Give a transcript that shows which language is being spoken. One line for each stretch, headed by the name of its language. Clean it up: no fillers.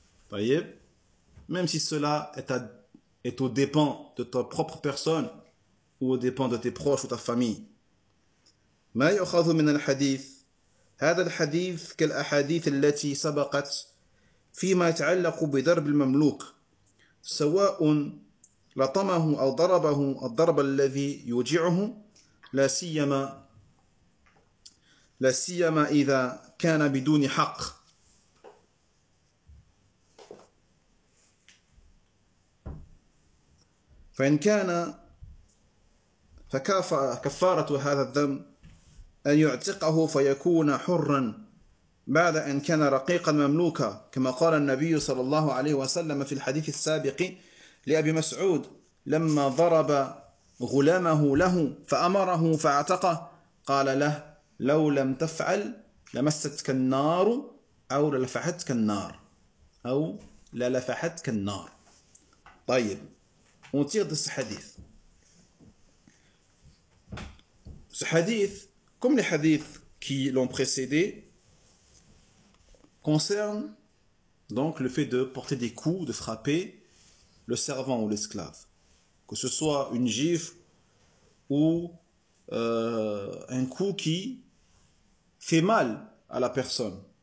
French: Voyez, même si cela est au dépens de ta propre personne ou au dépens de tes proches ou ta famille.
Arabic: ما يؤخذ من الحديث هذا الحديث كالأحاديث التي سبقت فيما يتعلق بضرب المملوك سواء لطمه أو ضربه الضرب الذي يوجعه، لا سيما إذا كان بدون حق. فإن كان فكفارة هذا الذنب أن يعتقه فيكون حرا بعد أن كان رقيقا مملوكا، كما قال النبي صلى الله عليه وسلم في الحديث السابق لأبي مسعود لما ضرب غلامه له فأمره فاعتقه، قال له: لو لم تفعل لمستك النار أو للفحتك النار أو للفحتك النار.
French: طيب، on tire de ce hadith. Ce hadith, comme les hadiths qui l'ont précédé, concerne donc le fait de porter des coups, de frapper le servant ou l'esclave, que ce soit une gifle ou un coup qui fait mal à la personne.